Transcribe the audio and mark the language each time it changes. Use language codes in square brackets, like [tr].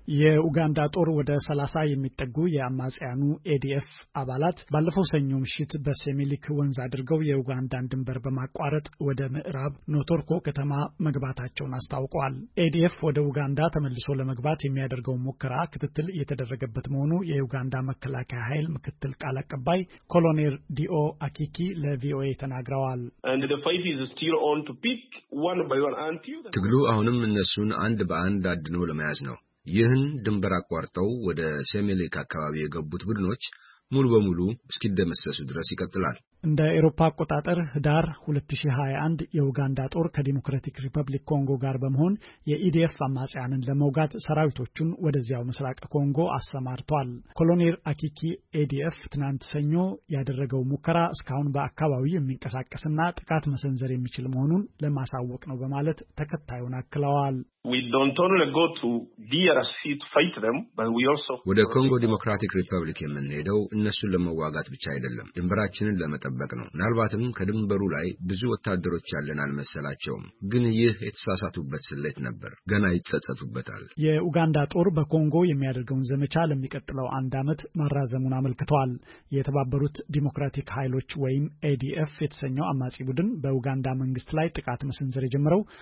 [am] የኡጋንዳ ጦር ወደ 30 የሚጠጉ የአማጽያኑ ADF አባላት ባለፈው ሰኞ ምሽት በሴሚሊክ ወንዝ አድርገው የኡጋንዳን ድንበር በማቋረጥ ወደ ምዕራብ ኖቶርኮ ከተማ መግባታቸውን አስታውቀዋል። ADF ወደ ኡጋንዳ ተመልሶ ለመግባት የሚያደርገው ሙከራ ክትትል እየተደረገበት መሆኑ የኡጋንዳ መከላከያ ኃይል ምክትል ቃል አቀባይ ኮሎኔል ዲኦ አኪኪ ለቪኦኤ ተናግረዋል። [en] The fight is still on to pick one by one until [am] ትግሉ አሁንም እነሱን አንድ በአንድ አድኖ ለመያዝ ነው። ይህን ድንበር አቋርጠው ወደ ሴሚሊክ አካባቢ የገቡት ቡድኖች ሙሉ በሙሉ እስኪደመሰሱ ድረስ ይቀጥላል። እንደ አውሮፓ አቆጣጠር ዳር 2021 የኡጋንዳ ጦር ከዲሞክራቲክ ሪፐብሊክ ኮንጎ ጋር በመሆን የኢዲኤፍ አማጽያንን ለመውጋት ሰራዊቶቹን ወደዚያው ምስራቅ ኮንጎ አስተማርቷል። ኮሎኔል አኪኪ ኢዲኤፍ ትናንት ሰኞ ያደረገው ሙከራ እስካሁን በአካባቢው የሚንቀሳቀስና ጥቃት መሰንዘር የሚችል መሆኑን ለማሳወቅ ነው በማለት ተከታዩን አክለዋል። [en] We don't only go to DRC to fight them, but we also [am] ወደ ኮንጎ ዲሞክራቲክ ሪፐብሊክ የምንሄደው እነሱን ለመዋጋት ብቻ አይደለም፣ ድንበራችንን ለመጠበቅ ነው። ምናልባትም ከድንበሩ ላይ ብዙ ወታደሮች ያለን አልመሰላቸውም፣ ግን ይህ የተሳሳቱበት ስሌት ነበር። ገና ይጸጸቱበታል። የኡጋንዳ ጦር በኮንጎ የሚያደርገውን ዘመቻ ለሚቀጥለው አንድ ዓመት ማራዘሙን አመልክቷል። የተባበሩት ዲሞክራቲክ ኃይሎች ወይም ADF የተሰኘው አማጺ ቡድን በኡጋንዳ መንግስት ላይ ጥቃት መሰንዘር የጀመረው